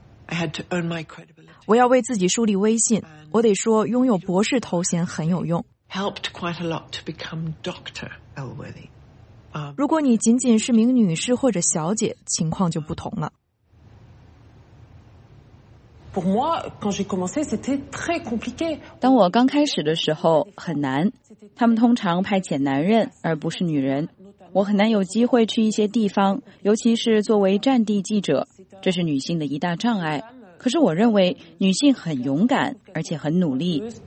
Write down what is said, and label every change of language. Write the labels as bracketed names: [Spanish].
[English] I had to earn my credibility. [Chinese] 我要为自己树立威信，我得说拥有博士头衔很有用。 [English] Helped quite a lot to become Dr. Elworthy. [Chinese] 如果你仅仅是名女士或者小姐，情况就不同了。 [French] Pour moi, quand j'ai commencé, c'était très compliqué. [Chinese] 当我刚开始的时候很难，他们通常派遣男人而不是女人。我很难有机会去一些地方，尤其是作为战地记者，这是女性的一大障碍。可是我认为女性很勇敢，而且很努力。